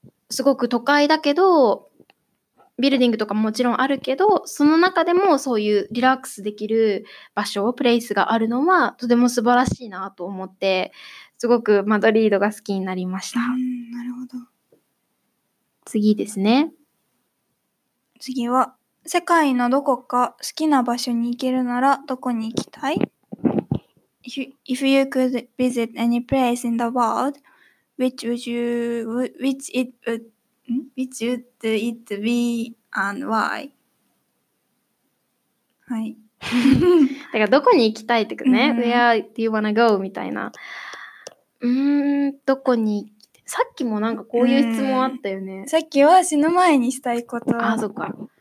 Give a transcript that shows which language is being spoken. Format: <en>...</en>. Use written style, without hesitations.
<ja>すごく都会だけど、ビルディングとかももちろんあるけど、その中でもそういうリラックスできる場所、プレイスがあるのは、とても素晴らしいなと思って、すごくマドリードが好きになりました。なるほど。次ですね。次は、世界のどこか好きな場所に行けるならどこに行きたい？</ja> <en>If you could visit any place in the world, which would it be and why?</en> <ja>はい。だからどこに行きたいってことね。</ja> <en>Where do you wanna go?</en> <ja>みたいな。どこに行きたい？さっきもなんかこういう質問あったよね。さっきは死ぬ前にしたいこと。あ、そっか。</ja>